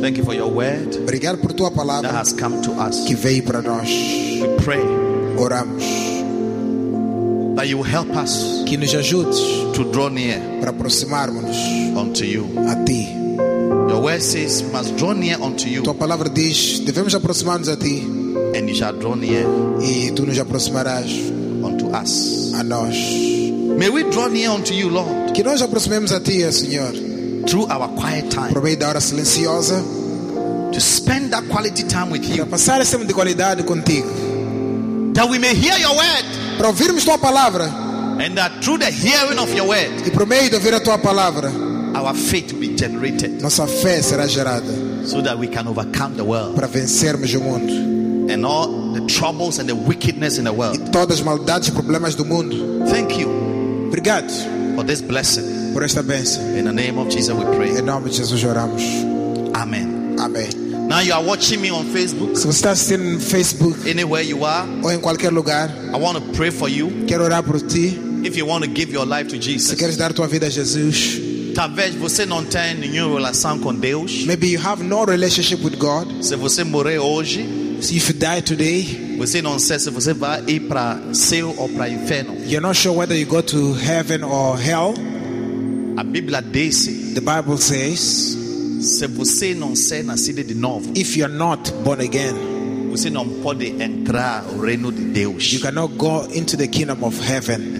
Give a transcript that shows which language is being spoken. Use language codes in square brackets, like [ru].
[en] Thank you for your word. [pt] Obrigado por tua palavra. [en] That has come to us. [pt] Que veio para nós. [en] We pray. [pt] Oramos. [en] That you help us, [pt] que nos ajudes, [en] to draw near, [pt] para aproximarmos-nos, [en] unto you, [pt] a ti. [en] Your word says, must draw near unto you. [pt] Tua palavra diz, devemos aproximar-nos a ti. [en] And you shall draw near, [pt] e tu nos aproximarás, [en] unto us, [pt] a nós. [en] May we draw near unto you, Lord. [pt] Que nós aproximemos a ti, Senhor. [en] Through our quiet time. [pt] Por meio da hora silenciosa. [en] To spend that quality time with you. [pt] Para passar esse tempo de qualidade contigo. [en] That we may hear your word. [pt] Para ouvirmos tua palavra. [en] And that through the hearing of your word, [pt] e por meio de ouvir a tua palavra, [en] our faith will be generated, [pt] nossa fé será gerada, [en] so that we can overcome the world, [pt] para vencermos o mundo, [en] and all the troubles and the wickedness in the world, [pt] e todas as maldades e problemas do mundo. [en] Thank you. [pt] Obrigado [en] for this blessing. [pt] Por esta bênção. [en] In the name of Jesus we pray. [pt] Em nome de Jesus oramos. Amém. Amém. [en] Now you are watching me on Facebook. [pt] Se você está assistindo no Facebook, [en] anywhere you are, [pt] ou em qualquer lugar, [en] I want to pray for you. [pt] Quero orar por ti. [en] If you want to give your life to Jesus, [pt] se queres dar tua vida a Jesus, talvez você não tenha nenhuma relação com Deus. [en] Maybe you have no relationship with God. [pt] Se você morrer hoje, [en] if you die today, [pt] você não sabe se você vai ir para céu ou para inferno. [en] You're not sure whether you go to heaven or hell. [pt] A Bíblia diz. [en] The Bible says. [pt] Se você não ser nascido de novo, [en] if you are not born again, [pt] você não pode entrar no reino de Deus. [en] You cannot go into the kingdom of heaven.